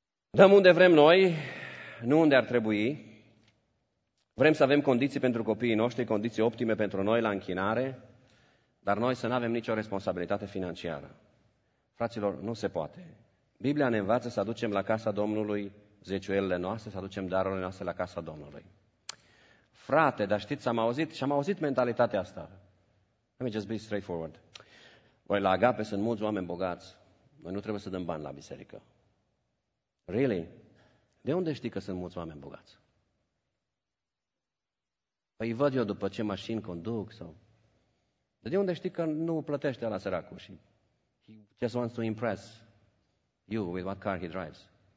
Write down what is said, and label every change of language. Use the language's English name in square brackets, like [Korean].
[Romanian] Dăm unde vrem noi, nu unde ar trebui. Vrem să avem condiții pentru copiii noștri, condiții optime pentru noi la închinare, dar noi să nu avem nicio responsabilitate financiară. Fraților, nu se poate. Biblia ne învață să aducem la casa Domnului zeciuielile noastre, să aducem darurile noastre la casa Domnului. Frate, dar știți, am auzit mentalitatea asta. [English] Let me just be straightforward. [Romanian] Voi, la Agape sunt mulți oameni bogați. Noi nu trebuie să dăm bani la biserică. [English] Really? [Romanian] De unde știi că sunt mulți oameni bogați? Păi văd eu după ce mașini conduc sau... Dar de unde știi că nu plătește ăla săracul și... [English] He just wants to impress you with what car he drives.